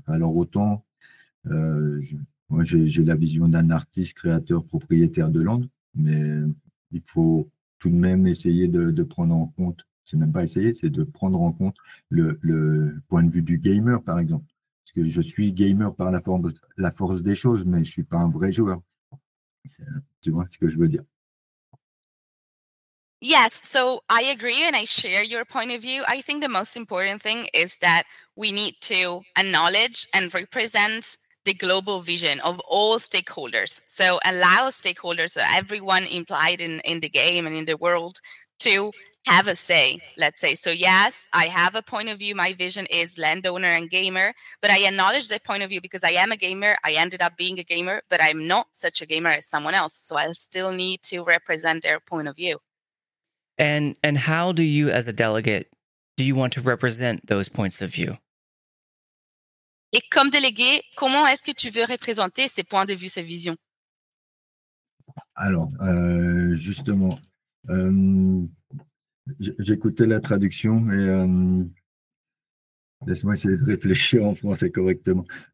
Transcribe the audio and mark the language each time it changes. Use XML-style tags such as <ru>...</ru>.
<fr>Alors autant, j'ai la vision d'un artiste, créateur, propriétaire de Land, mais il faut tout de même essayer de prendre en compte, c'est même pas essayer, c'est de prendre en compte le point de vue du gamer, par exemple. Parce que je suis gamer par la force des choses, mais je suis pas un vrai joueur. Tu vois ce que je veux dire.</fr> <en>Yes, so I agree and I share your point of view. I think the most important thing is that we need to acknowledge and represent the global vision of all stakeholders. So allow stakeholders, so everyone implied in the game and in the world, to have a say, let's say. So yes, I have a point of view. My vision is landowner and gamer, but I acknowledge the point of view because I am a gamer. I ended up being a gamer, but I'm not such a gamer as someone else. So I still need to represent their point of view. And how do you, as a delegate, do you want to represent those points of view?</en> <fr>Et comme délégué, comment est-ce que tu veux représenter ces points de vue, ces visions? Alors, justement, j'écoutais la traduction et laisse-moi essayer de réfléchir en français correctement.</fr>